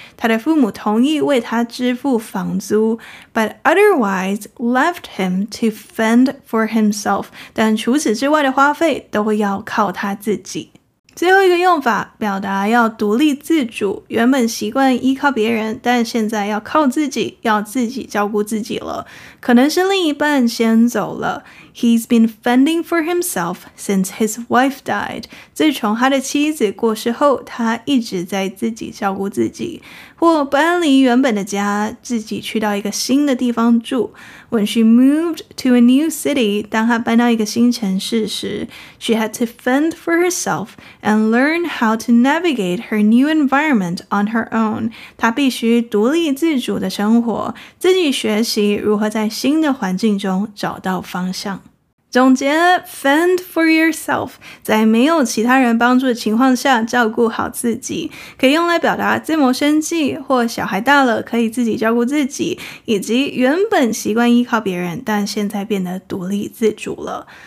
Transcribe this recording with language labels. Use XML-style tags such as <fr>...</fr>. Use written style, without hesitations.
<zh>他的父母同意为他支付房租，</zh> <en>but otherwise left him to fend for himself.</en> <zh>但除此之外的花费都要靠他自己。最后一个用法，表达要独立自主，原本习惯依靠别人，但现在要靠自己，要自己照顾自己了。可能是另一半先走了。</zh> <en>He's been fending for himself since his wife died.</en> <zh>自从他的妻子过世后，他一直在自己照顾自己。或搬离原本的家，自己去到一个新的地方住。</zh> <en>When she moved to a new city,</en> <zh>当她搬到一个新城市时，</zh> <en>she had to fend for herself and learn how to navigate her new environment on her own.</en> <zh>她必须独立自主的生活，自己学习如何在新的环境中找到方向。总结， fend for yourself, 在没有其他人帮助的情况下照顾好自己，可以用来表达自谋生计，或小孩大了可以自己照顾自己，以及原本习惯依靠别人，但现在变得独立自主了。</zh>